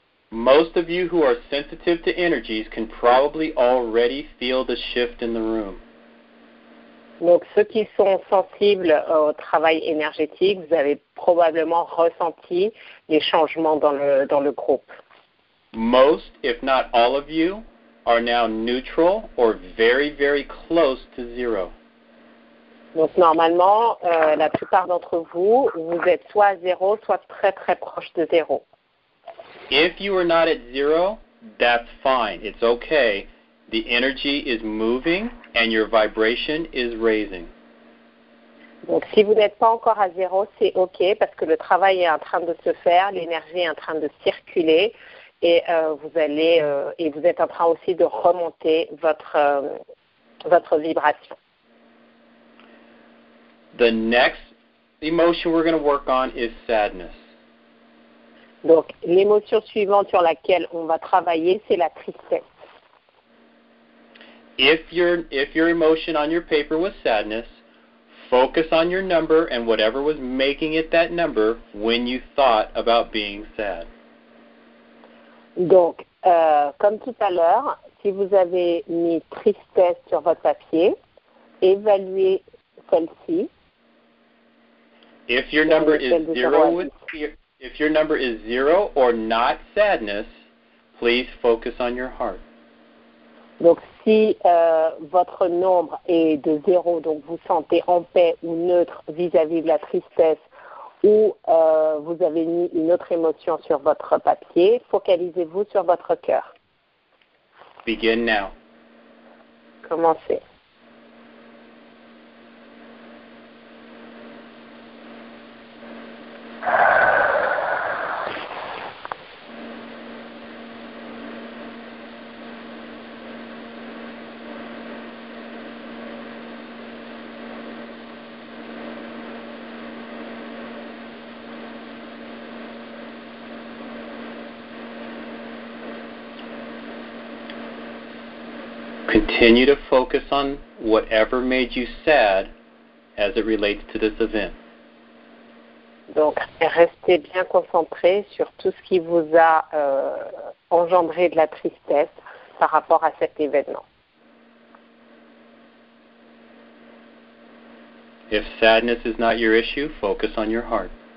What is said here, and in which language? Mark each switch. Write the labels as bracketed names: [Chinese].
[English] Most of you who are sensitive to energies can probably already feel the shift in the room. [French] Donc, ceux qui sont sensibles au travail énergétique, vous avez probablement ressenti les changements dans le groupe. [English] Most, if not all of you, are now neutral or very, very close to zero. [French] Donc normalement, la plupart d'entre vous, vous êtes soit à zéro, soit très, très proche de zéro. [English] If you are not at zero, that's fine. It's okay. The energy is moving and your vibration is raising. [French] Donc si vous n'êtes pas encore à zéro, c'est OK parce que le travail est en train de se faire, l'énergie est en train de circuler. Et vous êtes en train aussi de remonter votre vibration. [English] The next emotion we're going to work on is sadness. [French] Donc l'émotion suivante sur laquelle on va travailler, c'est la tristesse. [English] If your emotion on your paper was sadness, focus on your number and whatever was making it that number when you thought about being sad. [French] Donc, comme tout à l'heure, si vous avez mis tristesse sur votre papier, évaluez celle-ci. [English] If your number is zero or not sadness, please focus on your heart. [French] Donc, si votre nombre est de zéro, donc vous sentez en paix ou neutre vis-à-vis de la tristesse, ou vous avez mis une autre émotion sur votre papier, focalisez-vous sur votre cœur. [English] Begin now. [French] Commencez. [English] continue to focus on whatever made you sad as it relates to this event. [French] Donc, restez bien concentré sur tout ce qui vous a engendré de la tristesse par rapport à cet événement. [English] If sadness is not your issue, focus on your heart.